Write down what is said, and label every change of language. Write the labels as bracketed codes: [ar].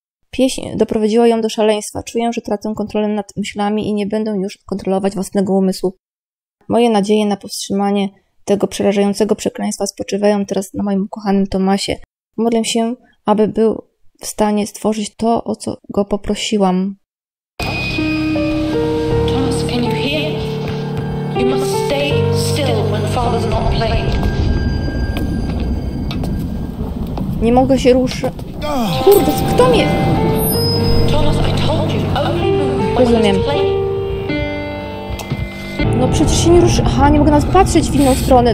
[pl] Pieśń doprowadziła ją do szaleństwa. Czuję, że tracę kontrolę nad myślami i nie będę już kontrolować własnego umysłu. Moje nadzieje na powstrzymanie tego przerażającego przekleństwa spoczywają teraz na moim ukochanym Tomasie. Modlę się, aby był w stanie stworzyć to, o co go poprosiłam. [en] Thomas, can you hear? You must stay still when father's not playing. [pl] Nie mogę się ruszyć. Kurde, kto mnie? [en] Thomas, I told you, only move when he's playing. [pl] No przecież się nie ruszy... Aha, nie mogę nas patrzeć w inną stronę.